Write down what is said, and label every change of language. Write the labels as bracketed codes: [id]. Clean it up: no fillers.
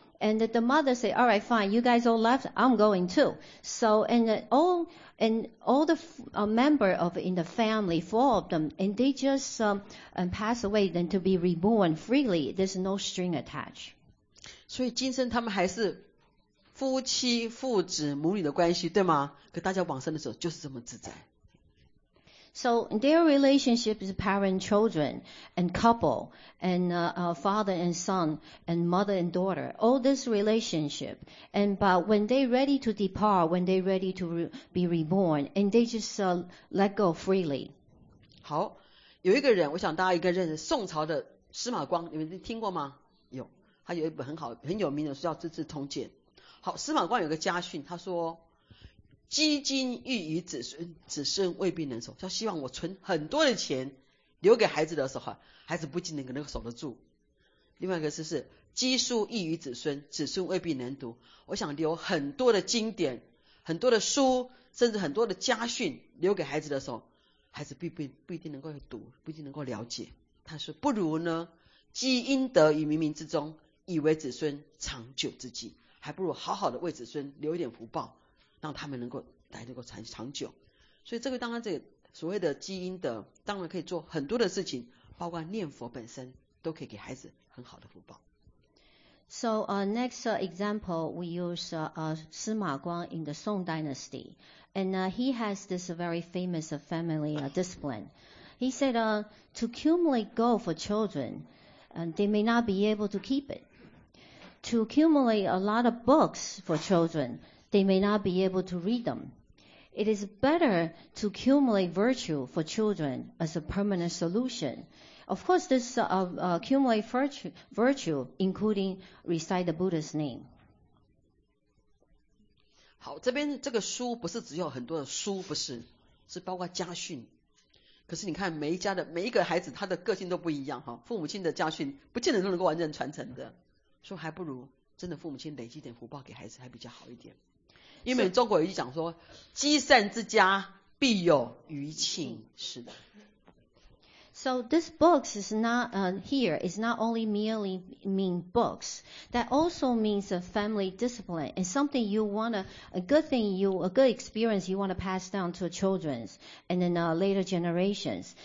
[en] And the mother said, all right, fine, you guys all left, I'm going too. So, and all the member of in the family, four of them, and they just pass away, then to be reborn freely, there's no string attached. [zh] 所以今生他们还是夫妻、父子、母女的关系，对吗？可大家往生的时候就是这么自在。 [en] So their relationship is parent children and couple and father and son and mother and daughter, all this relationship. And but when they ready to depart, when they ready to be reborn, and they just let go freely. [zh] 好，有一个人，我想大家应该认识宋朝的司马光，你们听过吗？有，他有一本很好很有名的书叫《资治通鉴》。好，司马光有个家训，他说。积金欲以子孙，子孙未必能守。他希望我存很多的钱留给孩子的时候，孩子不一定能够守得住。另外一个就是积书欲以子孙，子孙未必能读。我想留很多的经典，很多的书，甚至很多的家训留给孩子的时候，孩子不一定能够读，不一定能够了解。他说不如呢积阴德于冥冥之中，以为子孙长久之计，还不如好好的为子孙留一点福报，让他们能够长久。所以这个当然这个所谓的积阴德，当然可以做很多的事情，包括念佛本身都可以给孩子很好的福报。 [en] So next example we use Sima Guang in the Song Dynasty, and he has this very famous family discipline. He said to accumulate gold for children, they may not be able to keep it. To accumulate a lot of books for children. They may not be able to read them. It is better to accumulate virtue for children as a permanent solution. Of course, this accumulate virtue, including recite the Buddha's name. [zh] 好，这边这个书不是只有很多的书，不是，是包括家训。可是你看，每一家的每一个孩子，他的个性都不一样哈。父母亲的家训不见得都能够完整传承的，所以还不如真的父母亲累积点福报给孩子，还比较好一点。因为中国有一句讲说，积善之家必有余庆。是的。 [en] So this books is not here. It's not only merely mean books. That also means a family discipline and something you want a good experience you want to pass down to children and then later generations.